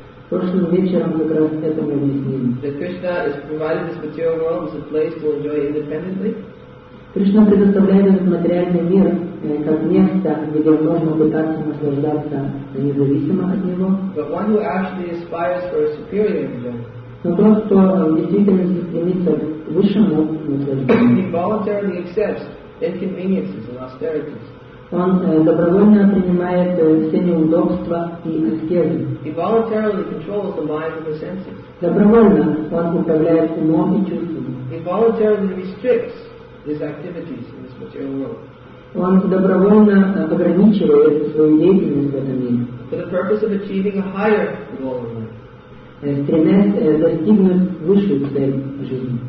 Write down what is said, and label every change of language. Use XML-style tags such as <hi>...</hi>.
<ru>Прошлым вечером как раз это мы объяснили.</ru> <en>That Krishna has provided this material world as a place to enjoy independently.</en> <ru>Кришна предоставляет этот материальный мир как место, где можно пытаться наслаждаться независимо от него.</ru> <en>But one who actually aspires for a superior enjoyment.</en> <ru>Но тот, кто в действительности стремится к высшему наслаждению,</ru> <en>he voluntarily accepts inconveniences and austerities.</en> <ru>Он добровольно принимает все неудобства и аскезы.</ru> <en>He voluntarily controls the mind and the senses.</en> <ru>Добровольно он управляет умом и чувствами.</ru> <en>He voluntarily restricts his activities in this material world.</en> <ru>Он добровольно ограничивает свою деятельность в этом мире.</ru> <en>For the purpose of achieving a higher goal in life.</en> <ru>Стремясь достигнуть высшей цели жизни.</ru>